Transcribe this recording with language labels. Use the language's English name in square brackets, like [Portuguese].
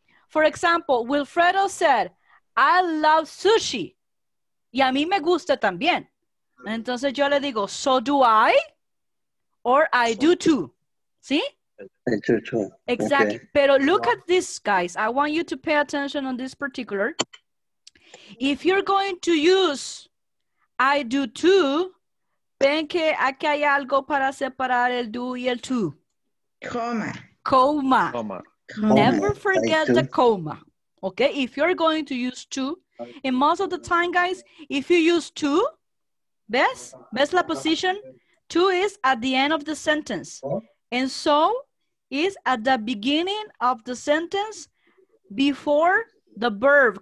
[English] For example, Wilfredo said, I love sushi. [Spanish] Y a mí me gusta también. Entonces yo le digo, [English] so do I. Or I do too. ¿Sí? I do too. Exactly. Okay. Pero look at this, guys. I want you to pay attention on this particular. If you're going to use I do too, [Spanish] ven que aquí hay algo para separar el do y el to. Coma. Coma. Coma. [English] Never forget the coma. Okay, if you're going to use two, and most of the time, guys, if you use two, [Spanish] ves la posición, [English] two is at the end of the sentence. And so is at the beginning of the sentence before the verb.